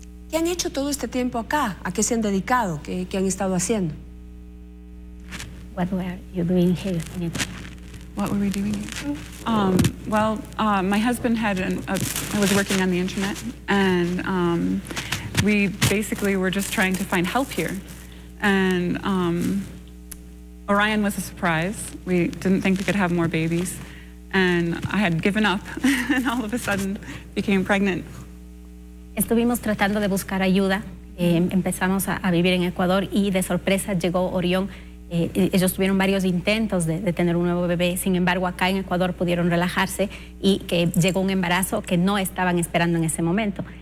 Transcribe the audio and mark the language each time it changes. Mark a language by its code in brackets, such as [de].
[es] ¿Qué han hecho todo este tiempo acá? ¿A qué se han dedicado? ¿Qué han estado haciendo? [en] What were you doing here? What were we doing here? Well, my husband had I was working on the internet, and we basically were just trying to find help here. And Orion was a surprise. We didn't think we could have more babies. And I had given up and all of a sudden became pregnant. [es] Estuvimos tratando de buscar ayuda. Empezamos a vivir en Ecuador y de sorpresa llegó Orion. Ellos tuvieron varios intentos de tener un nuevo bebé, sin embargo acá en Ecuador pudieron relajarse y que llegó un embarazo que no estaban esperando en ese momento.